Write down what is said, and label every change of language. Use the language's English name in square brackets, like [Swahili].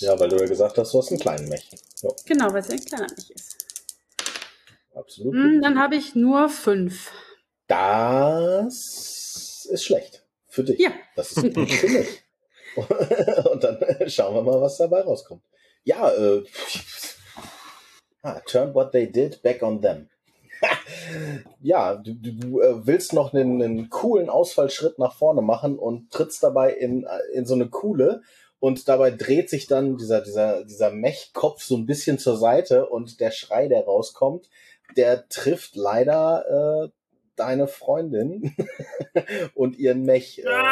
[German] Ja, weil du ja gesagt hast, du hast einen kleinen Mech. Jo. Genau, weil es ein kleiner Mech ist. Absolut. Dann habe ich nur 5. Das ist schlecht für dich. Ja. Das ist gut für mich. Und dann schauen wir mal, was dabei rauskommt. [English] Ja, turn what they did back on them. [German] Ja, du willst noch einen coolen Ausfallschritt nach vorne machen und trittst dabei in so eine Kuhle und dabei dreht sich dann dieser Mechkopf so ein bisschen zur Seite und der Schrei, der rauskommt, der trifft leider deine Freundin und ihren Mech.